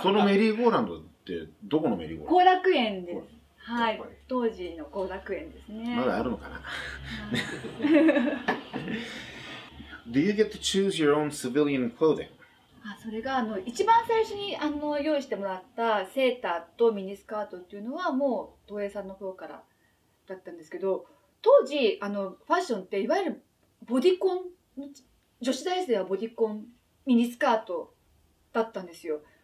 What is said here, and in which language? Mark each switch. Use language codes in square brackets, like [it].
[ja] そのメリーゴーランドってどこのメリーゴーランド？後楽園です。はい、当時の後楽園ですね。まだあるのかな。 [en] Do you get to choose your own civilian clothing? [ja] あ、それがあの一番最初にあの用意してもらったセーターとミニスカートっていうのはもう東映さんの方からだったんですけど、当時あのファッションっていわゆるボディコン、女子大生はボディコン、ミニスカートだったんですよ。